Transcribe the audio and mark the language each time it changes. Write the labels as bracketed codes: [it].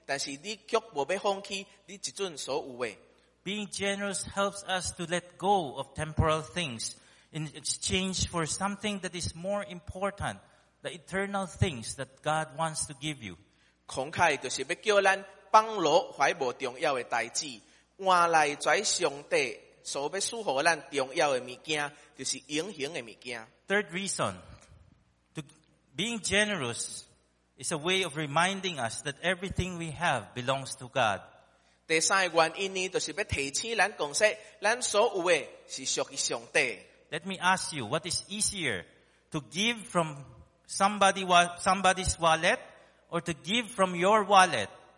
[nan] 你想要得到更加多对上帝遐来的祝福呢？但是你却无要放弃你即阵所有的。 [en] Being generous helps us to let go of temporal things in exchange for something that is more important, the eternal things that God wants to give you. [nan] 慷慨就是要叫咱放下怀无重要的代志，换来遮上帝所要赐予咱重要的物件，就是永恒的物件。 [en] Third reason, to being generous is a way of reminding us that everything we have belongs to God. [nan] 第三个原因呢，就是要提醒咱讲说，咱所有的是属于上帝。 [en] Let me ask you, what is easier, to give from somebody's wallet or to give from your wallet?